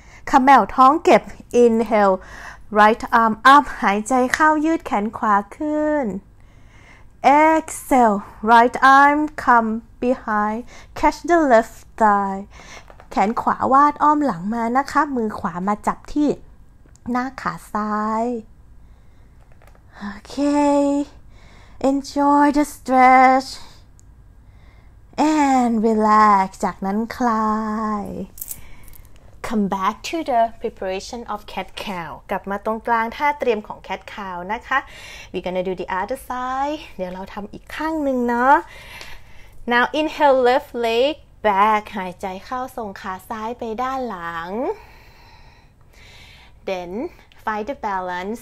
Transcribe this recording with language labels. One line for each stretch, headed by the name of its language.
Thai: Camel ท้องเก็บ
English: Inhale Right arm up
Thai: หายใจเข้ายืดแขนขวาขึ้น
English: Exhale Right arm come behind Catch the left thigh
Thai: แขนขวาวาดอ้อมหลังมานะคะมือขวามาจับที่หน้าขาซ้ายโอเค
English: Enjoy the stretchAnd relax.
Thai: จากนั้นคลาย
English: Come back to the preparation of cat cow.
Thai: กลับมาตรงกลางท่าเตรียมของ cat cow นะคะ
English: We're gonna do the other side.
Thai: เดี๋ยวเราทำอีกข้างหนึ่งเนาะ
English: Now inhale left leg back.
Thai: หายใจเข้าส่งขาซ้ายไปด้านหลัง
English: Then find the balance.